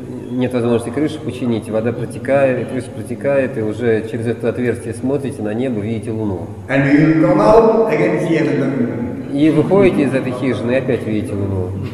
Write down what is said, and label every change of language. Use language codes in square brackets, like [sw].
[ru] Нет возможности крышу починить, вода протекает, и крыша протекает, и уже через это отверстие смотрите на небо, видите луну. [en] And you come out, again see another moon. [ru] И выходите из этой хижины и опять видите луну.